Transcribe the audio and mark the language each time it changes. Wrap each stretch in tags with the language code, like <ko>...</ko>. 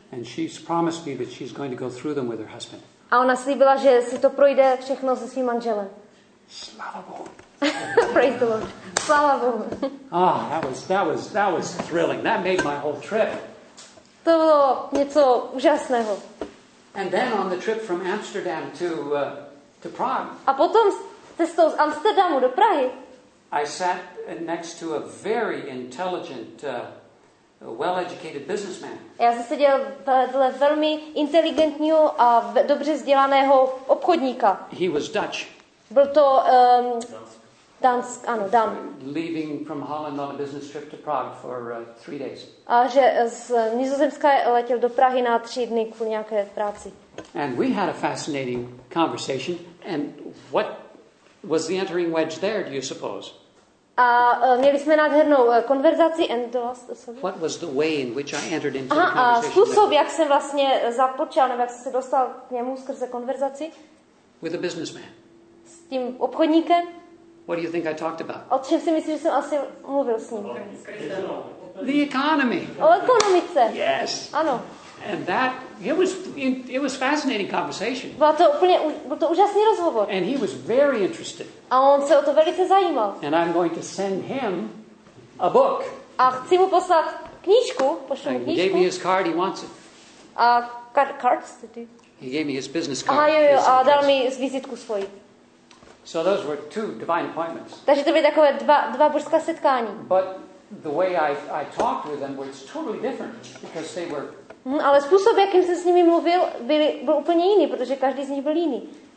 <en>And she's promised me that she's going to go through them with her husband.</en> <cs>A ona slíbila, že si to projde všechno se svým manželem. Sláva Bohu.</cs> <en>Praise the Lord.</en> <cs>Sláva Bohu.</cs> <en>Ah, that was thrilling. That made my whole trip.</en> <cs>To bylo něco úžasného.</cs> <en>And then on the trip from Amsterdam to Prague.</en> <cs>A potom cestou z Amsterdamu do Prahy.</cs> <en>I sat next to a very intelligent well-educated businessman.</en> <cs>Já jsem seděl vedle velmi inteligentního a dobře vzdělaného obchodníka.</cs> <en>He was Dutch.</en> <cs>Byl to Dansk, ano, Dan.</cs> <en>Leaving from Holland on a business trip to Prague for 3 days.</en> <cs>A že z Nizozemska letěl do Prahy na 3 dny kvůli nějaké práci.</cs> <en>And we had a fascinating conversation. And what was the entering wedge there, do you suppose?</en> <cs>A měli jsme nádhernou konverzaci.</cs> <en>And the last, sorry. What was the way in which I entered into aha, the conversation?</en> <cs>A způsob, jak jsem vlastně započal, nebo jak jsem se dostal k němu skrze konverzaci.</cs> <en>With a businessman.</en> <cs>S tím obchodníkem.</cs> <en>What do you think I talked about?</en> <cs>O čem si myslíš, že jsem asi mluvil s ním?</cs> <en>The economy.</en> <cs>O ekonomice.</cs> <en>Yes.</en> <cs>Ano.</cs> <en>And that it was fascinating conversation.</en> <cs>Byl to úžasný rozhovor.</cs> <en>And he was very interested.</en> <cs>A on se o to velice zajímal.</cs> <en>And I'm going to send him a book.</en> <cs>A chci mu poslat knížku, pošlu mu knížku.</cs> <en>He gave me his card, he wants it. A cards to do. He gave me his business card.</en> <cs>Aha, jo, a dal mi vizitku svoji.</cs> <en>So those were two divine appointments.</en> <cs>Takže to byly takové dva božská setkání.</cs> <en>But the way I talked with them was totally different because they were.</en> <cs>Ale způsob, jakým jsem s nimi mluvil, byl úplně jiný, protože každý z nich byl jiný.</cs>